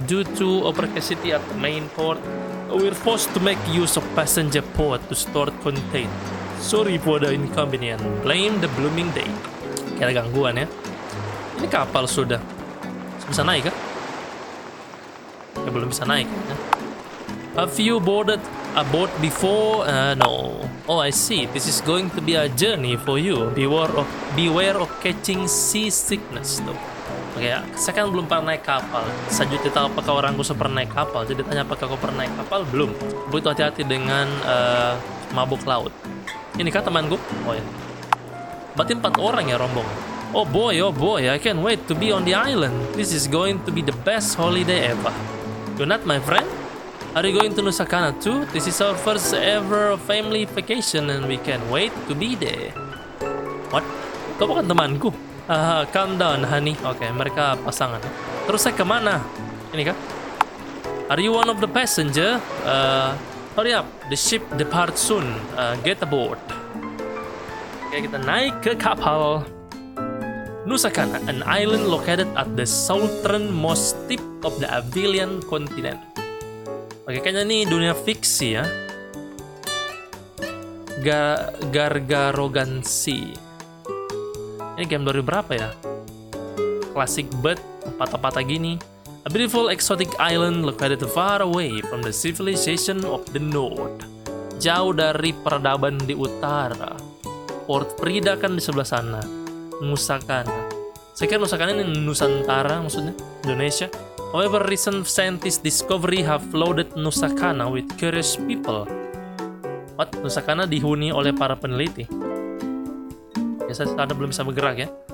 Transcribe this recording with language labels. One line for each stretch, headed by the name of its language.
English: Due to overcapacity at the main port, we're forced to make use of passenger port to store contain. Sorry for the inconvenience. Blame the blooming day.
Indonesian: Kayak ada gangguan ya. Ini kapal sudah bisa naik kah? Ya belum bisa naik. Ya.
English: Have you boarded a boat before? No. Oh, I see. This is going to be a journey for you. Beware of catching seasickness though.
Indonesian: Oke, saya kan belum pernah naik kapal. Saya juga tahu apakah orangku sudah pernah naik kapal. Jadi tanya apakah kau pernah naik kapal? Belum. Butuh hati-hati dengan mabuk laut. Ini kah temanku? Oh ya. Berarti 4 orang ya rombong.
English: Oh boy, I can't wait to be on the island. This is going to be the best holiday ever. You're not my friend? Are you going to Nusa Kana too? This is our first ever family vacation and we can't wait to be there. What?
Indonesian: Kau bukan temanku?
English: Calm down, honey.
Indonesian: Okay, mereka pasangan. Terus saya kemana? Ini kan?
English: Are you one of the passenger? Hurry up, the ship depart soon. Get aboard.
Indonesian: Okay, kita naik ke kapal.
English: Nusa Kana, an island located at the southernmost tip of the Abelian continent.
Indonesian: Okay, kayaknya ini dunia fiksi ya. Gargarogansi. Ini game 2000 berapa ya? Classic bird, patah-patah gini.
English: A beautiful exotic island located far away from the civilization of the north.
Indonesian: Jauh dari peradaban di utara. Port Frida kan di sebelah sana. Nusa Kana. Saya kira Nusa Kana ini Nusantara maksudnya, Indonesia.
English: However, recent scientist discovery have flooded Nusa Kana with curious people. What?
Indonesian: Nusa Kana dihuni oleh para peneliti. Saya belum bisa bergerak ya.